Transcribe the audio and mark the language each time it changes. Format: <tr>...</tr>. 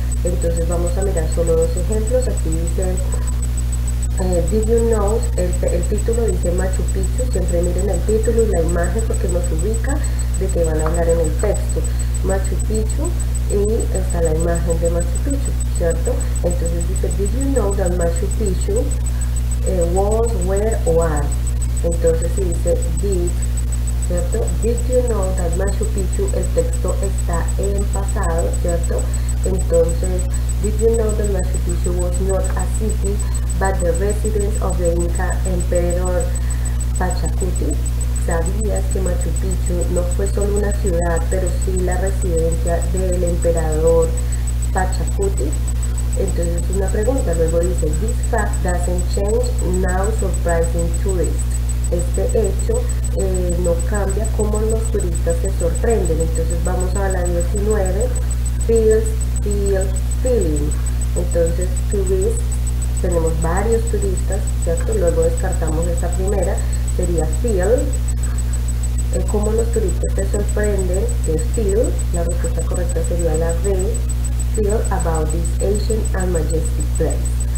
<es>Entonces vamos a mirar solo dos ejemplos. Aquí dice,</es> <en>did you know,</en> <es>el título dice Machu Picchu. Siempre miren el título y la imagen porque nos ubica de qué van a hablar en el texto. Machu Picchu. Y está la imagen de Machu Picchu, ¿cierto? Entonces dice,</es> <en>did you know that Machu Picchu was, where, or are?</en> <es>Entonces si dice,</es> <en>did,</en> <es>¿cierto?</es> <en>Did you know that Machu Picchu,</en> <es>el texto está en pasado, ¿cierto? Entonces,</es> <en>did you know that Machu Picchu was not a city, but the resident of the Inca Emperor Pachacuti?</en> <es>¿Sabías que Machu Picchu no fue solo una ciudad, pero sí la residencia del emperador Pachacuti? Entonces es una pregunta.</es> <en>Luego dice, this fact doesn't change now surprising tourists.</en> <es>Este hecho no cambia como los turistas se sorprenden. Entonces vamos a la 19, feeling. Entonces, tourists, tenemos varios turistas, ¿cierto? Luego descartamos esta primera, sería feel. Es como los turistas te sorprenden, que feel, la respuesta correcta sería la B,</es> <en>feel about this ancient and majestic place.</en>